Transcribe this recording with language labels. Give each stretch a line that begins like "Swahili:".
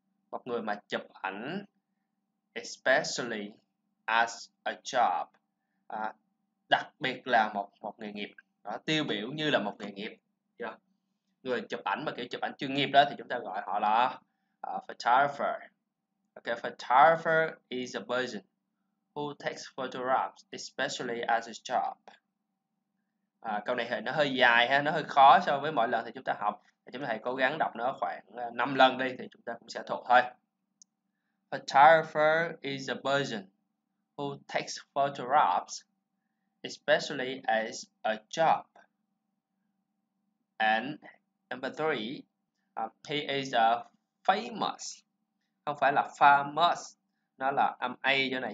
Vietnamese: Một người mà chụp ảnh,
English: especially as a job,
Vietnamese: đặc biệt là một nghề nghiệp, đó, tiêu biểu như là một nghề nghiệp. Yeah. Người chụp ảnh mà kiểu chụp ảnh chuyên nghiệp đó thì chúng ta gọi họ là photographer.
English: Okay, photographer is a person who takes photographs, especially as a job.
Vietnamese: Câu này nó hơi dài ha, nó hơi khó so với mọi lần thì chúng ta học. Chúng ta hãy cố gắng đọc nó khoảng 5 lần đi thì chúng ta cũng sẽ thuộc thôi.
English: Photographer is a person who takes photographs, especially as a job. And number three, he is a famous.
Vietnamese: Không phải là famous, nó là âm A chỗ này.